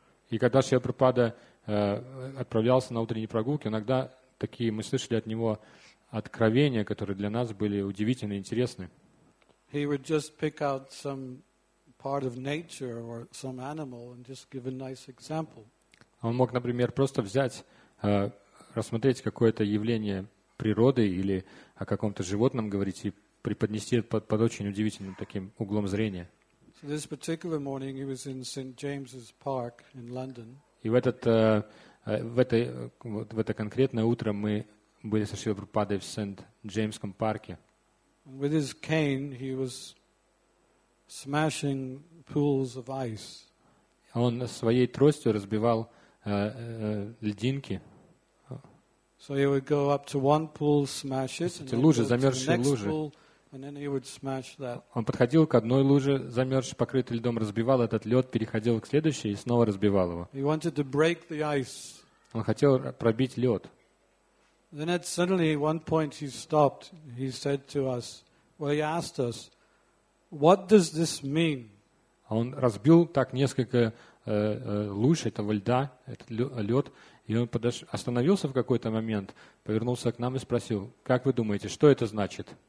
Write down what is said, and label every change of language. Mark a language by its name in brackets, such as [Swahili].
[Russian] И когда Шрила Прабхупада отправлялся на утренние прогулки, иногда такие мы слышали от него откровения, которые для нас были удивительны и интересны. [English] He would just pick out some part of nature or some animal and just give a nice example. [Russian] Он мог, например, просто взять, рассмотреть какое-то явление природы или о каком-то животном говорить и преподнести под очень удивительным таким углом зрения. [English] So this particular morning he was in St. James's Park in London. [Russian] И в этот в это конкретное утро мы были со Шрилой Прабхупадой в Сент-Джеймском парке. [English] With his cane he was smashing pools of ice. [Russian] Он своей тростью разбивал льдинки. [English] So he would go up to one pool, smash it, and [Russian] лужи, замерзшие лужи. [English] Pool, and then he would smash that. [Russian] Он подходил к одной луже, замерзшей, покрытой льдом, разбивал этот лед, переходил к следующей и снова разбивал его. [English] He wanted to break the ice. [Russian] Он хотел пробить лед. [English] Then at suddenly at one point he stopped. He said to us, well, he asked us, what does this mean? [Russian] Он разбил так несколько луж этого льда, этот лед, и он остановился в какой-то момент, повернулся к нам и спросил, как вы думаете, что это значит?